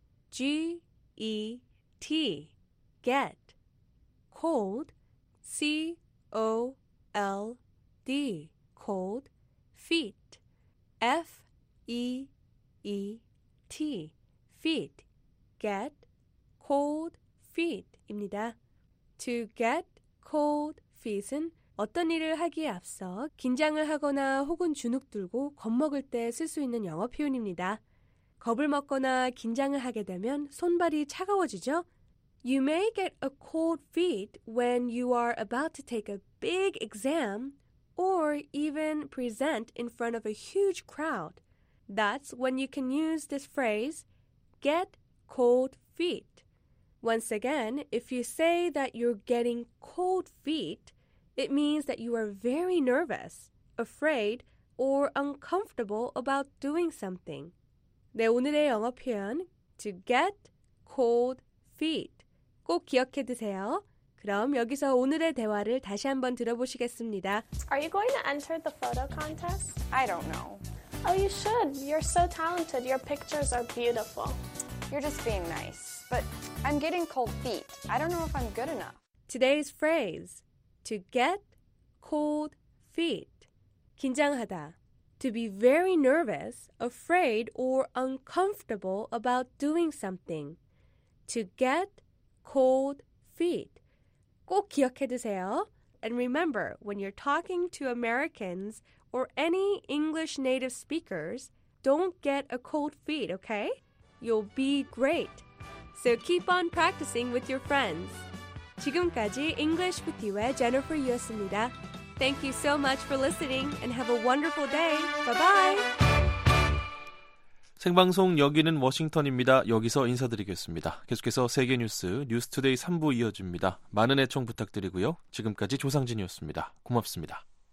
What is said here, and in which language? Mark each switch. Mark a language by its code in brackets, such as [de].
[en] G-E-T. Get cold, C-O-L-D, cold feet, F-E-E-T, feet, get cold feet입니다. [ko] To get cold feet은 어떤 일을 하기에 앞서 긴장을 하거나 혹은 주눅들고 겁먹을 때 쓸 수 있는 영어 표현입니다. 겁을 먹거나 긴장을 하게 되면 손발이 차가워지죠? [en] You may get a cold feet when you are about to take a big exam or even present in front of a huge crowd. That's when you can use this phrase, get cold feet. Once again, if you say that you're getting cold feet, it means that you are very nervous, afraid, or uncomfortable about doing something. [ko] 네, 오늘의 영어 표현, to get cold feet. 꼭 기억해 두세요. 그럼 여기서 오늘의 대화를 다시 한번 들어보시겠습니다. [en] Are you going to enter the photo contest? I don't know. Oh, you should. You're so talented. Your pictures are beautiful. You're just being nice. But I'm getting cold feet. I don't know if I'm good enough. Today's phrase, to get cold feet. [ko] 긴장하다. [en] To be very nervous, afraid, or uncomfortable about doing something. To get cold feet. [ko] 꼭 기억해 두세요. [en] And remember, when you're talking to Americans or any English native speakers, don't get a cold feet, okay? You'll be great. So keep on practicing with your friends. [ko] 지금까지 English with you의 Jennifer 이었습니다. [en] Thank you so much for listening and have a wonderful day. Bye-bye. [ko] 생방송 여기는 워싱턴입니다. 여기서 인사드리겠습니다. 계속해서 세계뉴스 뉴스투데이 3부 이어집니다. 많은 애청 부탁드리고요. 지금까지 조상진이었습니다. 고맙습니다.